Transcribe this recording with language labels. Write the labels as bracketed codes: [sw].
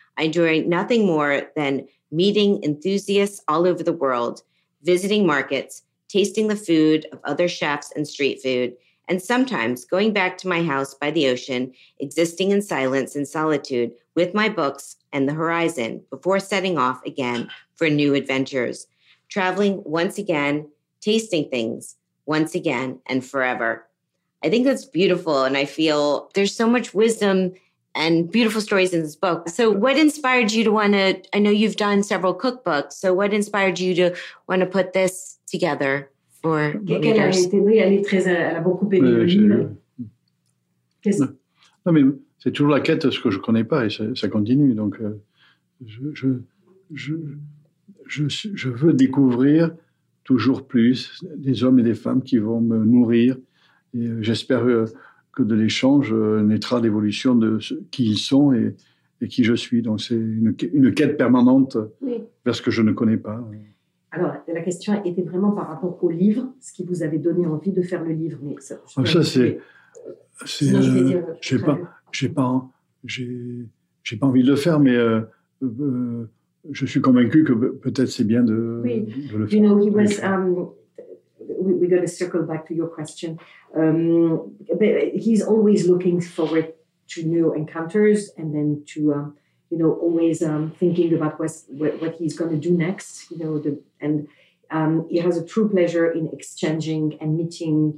[en] I enjoy nothing more than meeting enthusiasts all over the world, visiting markets, tasting the food of other chefs and street food, and sometimes going back to my house by the ocean, existing in silence and solitude with my books and the horizon before setting off again for new adventures, traveling once again, tasting things once again and forever. I think that's beautiful, and I feel there's so much wisdom and beautiful stories in this book. So what inspired you to want to, I know you've done several cookbooks, so what inspired you to want to put this together for readers? [fr] Elle a beaucoup aimé le livre. Quel âge a-t-elle? Non, mais c'est toujours la quête de ce que je ne connais pas, et ça continue. Donc, je veux découvrir toujours plus des hommes et des femmes qui vont me nourrir. Et j'espère que de l'échange naîtra l'évolution de ce, qui ils sont et qui je suis. Donc, c'est une quête permanente vers ce que je ne connais pas. Alors, la question était vraiment par rapport au livre, ce qui vous avait donné envie de faire le livre. Mais ça c'est... C'est, non, j'ai pas envie de le faire, mais je suis convaincu que peut-être c'est bien de le faire. [en] You know, he was. We're going to circle back to your question. But he's always looking forward to new encounters, and then to you know, always thinking about what he's going to do next. You know, he has a true pleasure in exchanging and meeting.